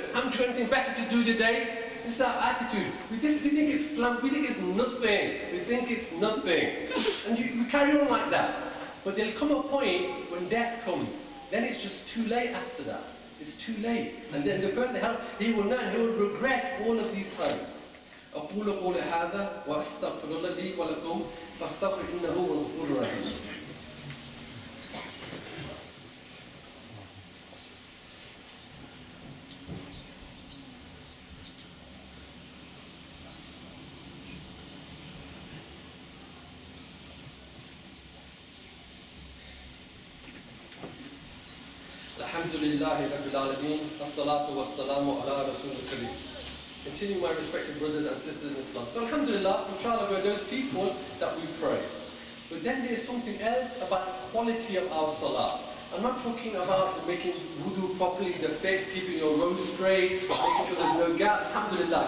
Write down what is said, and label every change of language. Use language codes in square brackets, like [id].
[en] Haven't you anything better to do today? This is our attitude. We think it's nothing. We think it's nothing. And we carry on like that. But there'll come a point when death comes. Then it's just too late after that. It's too late. And then the person, he will know, he will regret all of these times. [ar] أقول قول هذا وأستغفر الله لي ولكم فاستغفر إنه هو الغفور الرحيم. الحمد لله رب العالمين الصلاة والسلام على رسول الكريم. [en] Continue, my respected brothers and sisters in Islam. So alhamdulillah, inshallah, we're those people that we pray. But then there's something else about the quality of our salah. I'm not talking about making wudu properly, the fake, keeping your robe straight, making sure there's no gap. Alhamdulillah.